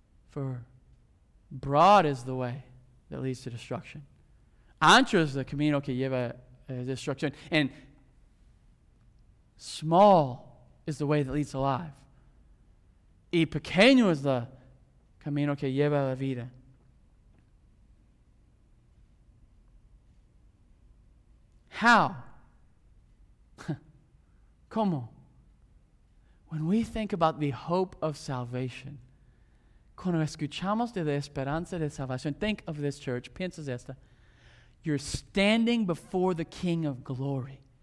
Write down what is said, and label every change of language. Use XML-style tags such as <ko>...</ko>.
<en>For broad is the way that leads to destruction.</en> <es>Ancho es el camino que lleva a destrucción.</es> <en>And small is the way that leads to life.</en> <es>Y pequeño es el camino que lleva a la vida.</es> <en>How? ¿Cómo? When we think about the hope of salvation, cuando escuchamos de la esperanza de salvación, think of this, church, piensas esta, you're standing before the King of Glory.</en>